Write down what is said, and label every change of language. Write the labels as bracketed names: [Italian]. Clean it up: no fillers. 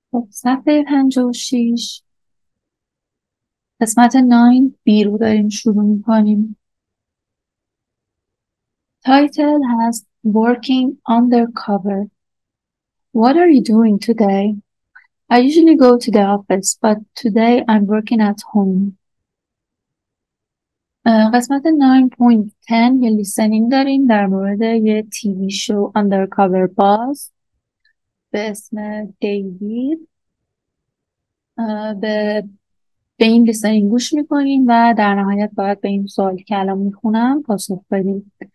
[Persian] صفحه 56 قسمت 9 بی رو داریم شروع می کنیم. تایتل هست [English] working undercover. What are you doing today? I usually go to the office, but today I'm working at home. [Persian] قسمت 9.10 یه لیسنینگ داریم در مورد یه تیوی شو اندرکاور باز به اسم دیوید. به این لیسنینگ گوش میکنیم و در نهایت باید به این سوال که الان میخونم پاسخ بدیم.